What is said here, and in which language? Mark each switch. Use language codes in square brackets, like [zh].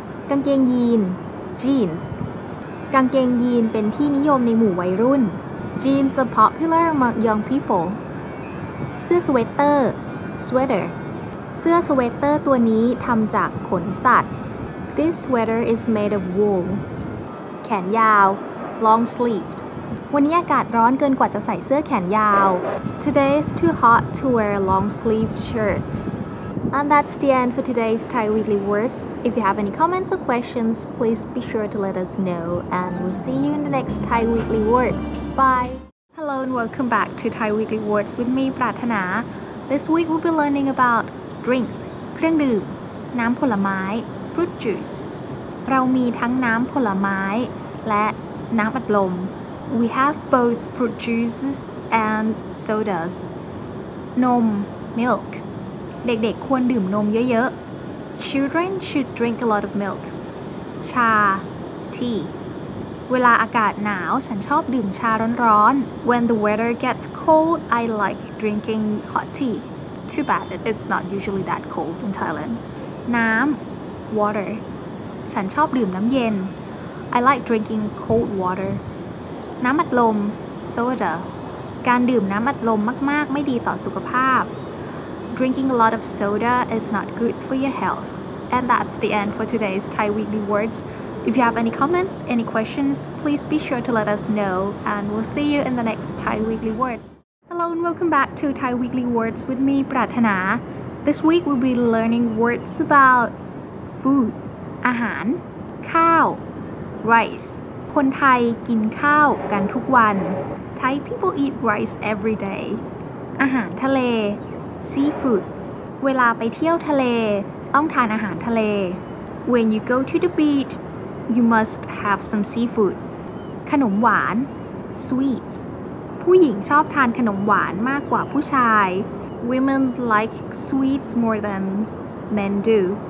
[en] กางเกงยีน Jeans. [th] กางเกงยีนเป็นที่นิยมในหมู่วัยรุ่น [en] Jeans are popular among young people เสื้อสเวตเตอร์ Sweater [th] เสื้อสเวตเตอร์ตัวนี้ทำจากขนสัตว์ [en] This sweater is made of wool แขนยาว Long sleeved [th] วันนี้อากาศร้อนเกินกว่าจะใส่เสื้อแขนยาว [en] Today is too hot to wear long sleeved shirtsAnd that's the end for today's Thai Weekly Words. If you have any comments or questions, please be sure to let us know. And we'll see you in the next Thai Weekly Words. Bye! Hello and welcome back to Thai Weekly Words with me, Prathana. This week we'll be learning about drinks, เครื่องดื่ม น้ำผลไม้ fruit juice. [th] เรามีทั้งน้ำผลไม้และน้ำอัดลม [en] We have both fruit juices and sodas. นม milk. [th] เด็กๆควรดื่มนมเยอะๆ [en] Children should drink a lot of milk ชา tea [th] เวลาอากาศหนาวฉันชอบดื่มชาร้อนๆ [en] When the weather gets cold I like drinking hot tea Too bad it's not usually that cold in Thailand น้ำ water [th] ฉันชอบดื่มน้ำเย็น [en] I like drinking cold water [th] น้ำอัดลม soda การดื่มน้ำอัดลมมากๆไม่ดีต่อสุขภาพ [en] Drinking a lot of soda is not good for your health. And that's the end for today's Thai Weekly Words. If you have any comments, any questions, please be sure to let us know. And we'll see you in the next Thai Weekly Words. Hello and welcome back to Thai Weekly Words with me, Prathana. This week we'll be learning words about food. [th] อาหาร ข้าว Rice. คนไทยกินข้าวกันทุกวัน [en] Thai people eat rice every day. อาหารทะเลseafood [th] เวลาไปเที่ยวทะเลต้องทานอาหารทะเล [en] when you go to the beach you must have some seafood ขนมหวาน sweets [th] ผู้หญิงชอบทานขนมหวานมากกว่าผู้ชาย [en] women like sweets more than men do